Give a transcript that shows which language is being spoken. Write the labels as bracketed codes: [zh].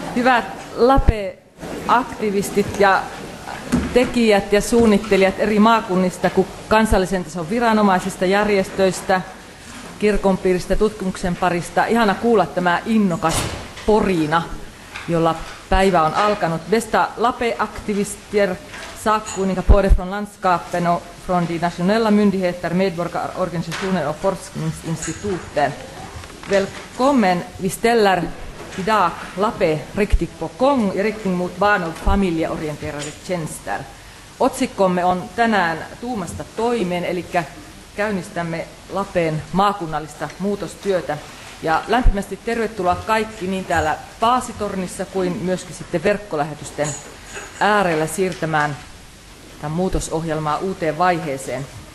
[fi] Hyvät LAPE-aktivistit ja tekijät ja suunnittelijat eri maakunnista kuin kansallisen tason viranomaisista, järjestöistä, kirkonpiiristä, tutkimuksen parista. Ihana kuulla tämä innokas porina, jolla päivä on alkanut. [sv] Bästa LAPE-aktivistier sakkuuninga både från landskapen och från de nationella myndigheter, medborgarorganisationer och forskningsinstituten. Välkommen, vi ställer idag LAPE riktigt på gång i riktning mot barn- och familjeorienterade tjänster. [fi] Otsikkomme on tänään tuumasta toimeen, eli käynnistämme LAPEn maakunnallista muutostyötä. Ja lämpimästi tervetuloa kaikki niin täällä Paasitornissa kuin myöskin sitten verkkolähetysten äärellä siirtämään tämän muutosohjelmaa uuteen vaiheeseen.